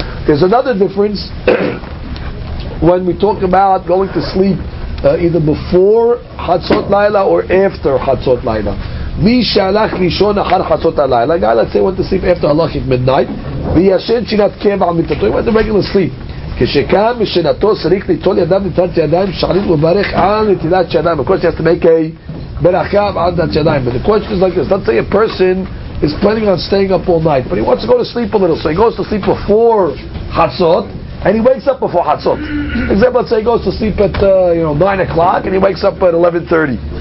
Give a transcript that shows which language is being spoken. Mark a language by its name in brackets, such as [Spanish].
[English] There's another difference when we talk about going to sleep either before chatzot laila or after chatzot laila. [Hebrew] Mi shalach lishon achar chatzot alayla. [English] A guy, let's say, went to sleep after halachic midnight. [Hebrew] V'yashen shinat kev al mitato. [English] He went to regular sleep. [Hebrew] כשקם משנתו צריך ליטול ידיו נטילת ידיים שחרית וברך על נטילת ידיים. [English] Of course, he has to make a ברכה על נטילת ידיים. But the question is like this: let's say a person is planning on staying up all night, but he wants to go to sleep a little, so he goes to sleep before Chatzot and he wakes up before Chatzot. Example: let's say he goes to sleep at 9 o'clock and he wakes up at 11:30.